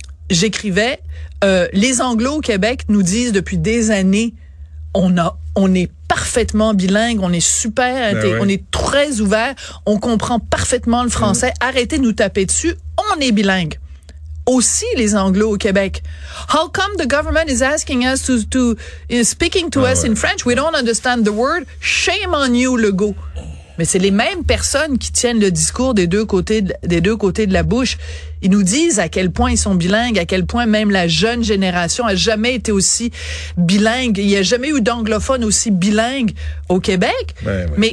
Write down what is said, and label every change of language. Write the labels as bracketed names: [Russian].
[French] J'écrivais, les Anglos au Québec nous disent depuis des années, on est parfaitement bilingue, on est super, on est très ouvert, on comprend parfaitement le français. Arrêtez de nous taper dessus, on est bilingue. Aussi les Anglos au Québec. [English] How come the government is asking us to speaking to us in French? We don't understand the word. Shame on you, Legault. [French] Mais c'est les mêmes personnes qui tiennent le discours des deux côtés de la bouche. Ils nous disent à quel point ils sont bilingues, à quel point même la jeune génération a jamais été aussi bilingue. Il y a jamais eu d'anglophone aussi bilingue au Québec. Ben, oui.